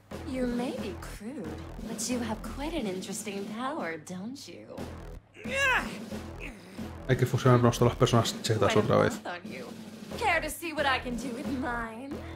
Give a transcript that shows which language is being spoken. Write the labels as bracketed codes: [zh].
[en] You may be crude, but you have quite an interesting power, don't you? [es] Hay que fusionarnos todas las personas chetas otra vez. [en] Care to see what I can do with mine?